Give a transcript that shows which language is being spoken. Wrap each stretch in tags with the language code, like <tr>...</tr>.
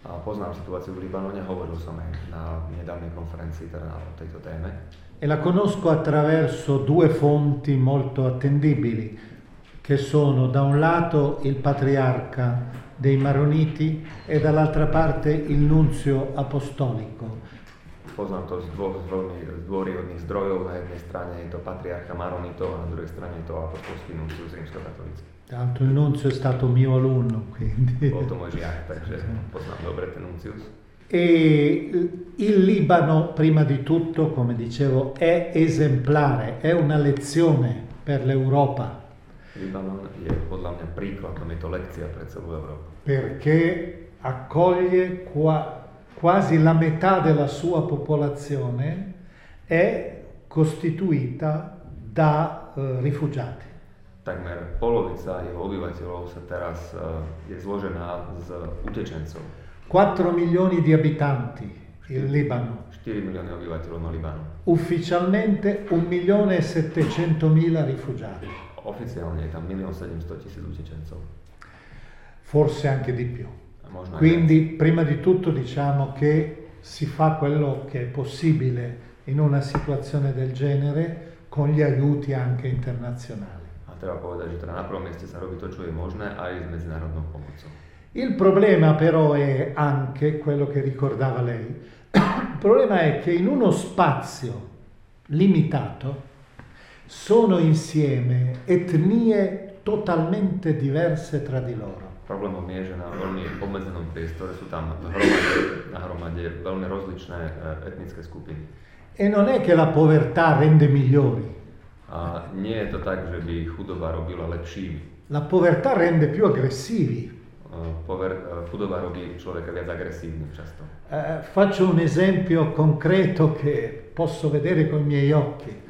<sk>Poznam situáciu v Libanone, hovoril som aj na nedávnej konferencii teda o tejto téme.</sk> <it>E la conosco attraverso due fonti molto attendibili, che sono da un lato il patriarca dei Maroniti e dall'altra parte il nunzio apostolico.</it> <sk>Poznám to z dôveryhodných zdrojov, na jednej strane je to patriarcha Maronitov a na druhej strane je to apostolský nunzio z rímskokatolícky.</sk> <it>Tanto il nunzio è stato mio alunno, quindi.</it> <sk>Bol to môj žiak, takže poznám dobre ten nuncius.</sk> <it>E il Libano, prima di tutto, come dicevo, è esemplare, è una lezione per l'Europa.</it> <sk>Libanon je podľa mňa príkladom, je to lekcia pre celú Európu.</sk> <it>Perché accoglie quasi la metà della sua popolazione è costituita da rifugiati.</it> <sk>Takmer polovica jeho obyvateľov sa teraz je zložená z utečencov.</sk> <it>4 milioni di abitanti. il Libano. 4 milioni di abitanti nel Libano. Ufficialmente 1.700.000 rifugiati. Ufficialmente 1.700.000 utenti. Forse anche di più. Quindi prima di tutto diciamo che si fa quello che è possibile in una situazione del genere con gli aiuti anche internazionali.</it> <sk>A treba povedať, že teda na prvom mieste sa robí to, čo je možné, aj s medzinárodnou pomocou.</sk> <it>Il problema però è anche quello che ricordava lei. Il problema è che in uno spazio limitato sono insieme etnie totalmente diverse tra di loro.</it> <sk>Problémom je, že na veľmi obmedzenom priestore sú tam na hromade veľmi rozličné etnické skupiny.</sk> <it>E non è che la povertà rende migliori.</it> <sk>A nie je to tak, že by chudoba robila lepšími.</sk> <it>La povertà rende più aggressivi.</it> <sk>Chudoba robí človeka viac agresívnym často.</sk> <it>Faccio un esempio concreto che posso vedere con i miei occhi.</it>